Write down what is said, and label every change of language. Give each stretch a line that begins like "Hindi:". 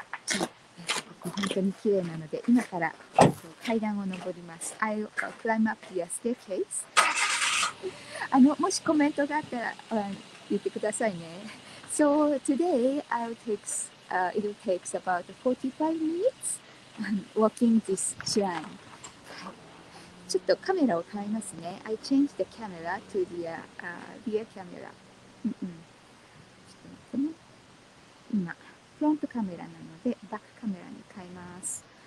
Japanese: Okay. 本当に綺麗なので今から階段を登ります。
English: I'll climb up the staircase.
Japanese: もしコメントがあったら言ってくださいね。
English: So today it will take about 45 minutes walking this shrine.
Japanese: ちょっとカメラを変えますね。
English: I changed the camera to the rear camera.
Japanese: ちょっと待ってね。今、フロントカメラなので、バックカメラに変えます。